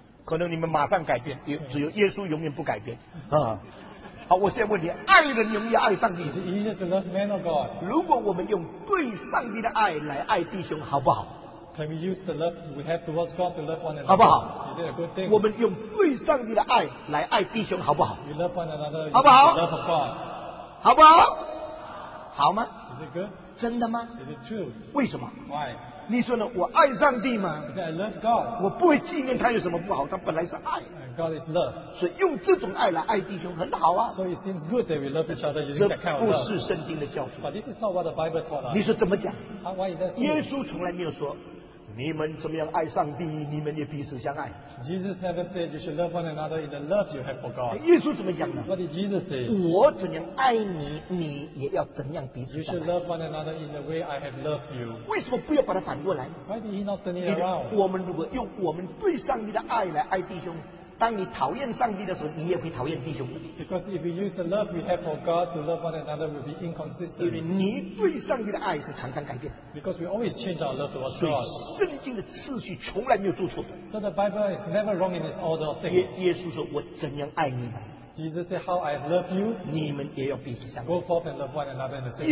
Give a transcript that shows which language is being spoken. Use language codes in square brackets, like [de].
[zh] 可能你们马上改变，只有耶稣永远不改变啊！好，我现在问你，爱人容易爱上帝？ [en] Is it easier to love man or God? [zh] 如果我们用对上帝的爱来爱弟兄，好不好？ [en] Can we use the love we have towards God to love one another? [zh] 好不好？ [en] Is it a good thing? [zh] 我们用对上帝的爱来爱弟兄，好不好？ [en] You love one another, [zh] 好不好？ [en] Love God, [zh] 好不好？好吗？ [en] Is it good? [zh] 真的吗？ [en] Is it true? [zh] 为什么？ [en] Why? [zh] 你说呢？我爱上帝吗？ [en] I love God. [zh] 我不会纪念他有什么不好，他本来是爱。 [en] God is love. [zh] 所以用这种爱来爱弟兄很好啊。 [en] So it seems good that we love each other using that kind of love. [zh] 这不是圣经的教训。 [en] But this is not what the Bible taught us. [zh] 你说怎么讲？ [en] Why is that? [zh] 耶稣从来没有说，你们怎么样爱上帝，你们也彼此相爱。 [en] Jesus never said you should love one another in the love you have for God. [zh] 耶稣怎么讲呢？ [en] What did Jesus say? [zh] 我怎样爱你，你也要怎样彼此相爱。 [en] You should love one another in the way I have loved you. [zh] 为什么不要把它反过来？ [en] Why did he not turn it around? [zh] 我们如果用我们对上帝的爱来爱弟兄，当你讨厌上帝的时候，你也会讨厌弟兄的。 [en] Because if we use the love we have for God to love one another, we'll be inconsistent. [zh] 因为你对上帝的爱是常常改变。 [en] Because we always change our love towards God. [zh] 圣经的次序从来没有做错的。 [en] So the Bible is never wrong in its order of things. [zh] 耶稣说：“我怎样爱你们。” [en] Jesus said, "How I love you." [zh] 你们也要彼此相爱。 [en] Go forth and love one another in the same way.